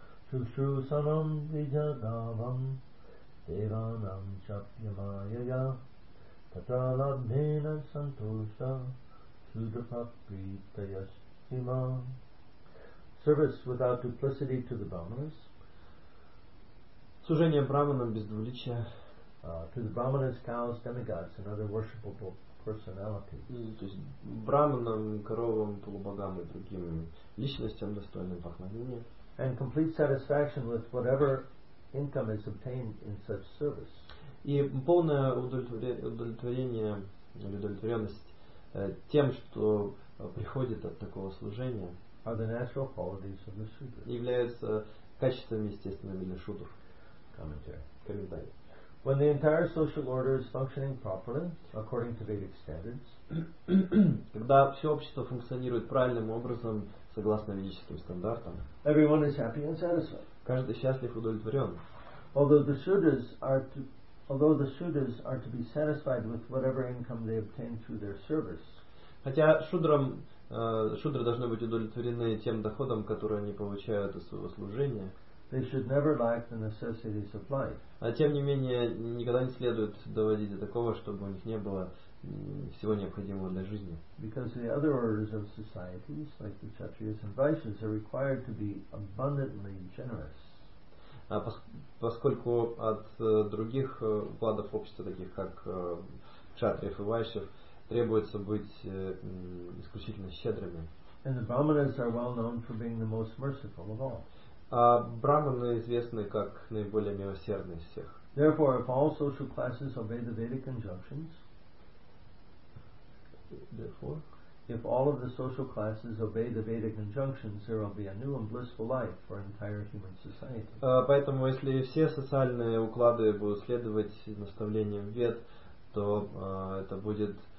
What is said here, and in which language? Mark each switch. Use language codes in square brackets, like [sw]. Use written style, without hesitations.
[sa] Shushrusanam vijadavam devanam chapyamayaya tatralabhena santosha shudrapapritayasthima. [en] Service without duplicity to the brahmanas. [ru] Служение браманам без двуличия. [en] To the brahmanas, cows, demigods, and other worshipable personality. [ru] То есть браманам, коровам, полубогам и другим личностям, достойным поклонения. [en] And complete satisfaction with whatever income is obtained in such service. [ru] И полное удовлетворение или удовлетворенность тем, что приходит от такого служения, [en] are the natural qualities of the shudra. [ru] Являются качествами естественными для шудр. Комментарий. [en] When the entire social order is functioning properly, according to Vedic standards, [ru] когда все общество функционирует правильным образом, согласно ведическим стандартам, [en] everyone is happy and satisfied. [ru] Каждый счастлив и удовлетворен. [en] Although the shudras are to be satisfied with whatever income they obtain through their service. [ru] Хотя шудры должны быть удовлетворены тем доходом, который они получают из своего служения, [en] they should never lack the necessities of life. [ru] А тем не менее, никогда не следует доводить до такого, чтобы у них не было всего необходимого для жизни. [en] Because the other orders of societies, like the Kshatriyas and Vaishyas, are required to be abundantly generous. [ru] Поскольку от других укладов общества, таких как Кшатриев и Вайшев, требуется быть исключительно щедрыми. [en] And the Brahmanas are well known for being the most merciful of all. [ru] А браманы известны как наиболее милосердные из всех. [en] Therefore, if all social classes obey the Vedic injunctions, there will be a new and blissful life for an entire human society. [ru] Поэтому, если все социальные уклады будут следовать наставлениям Вед, то это будет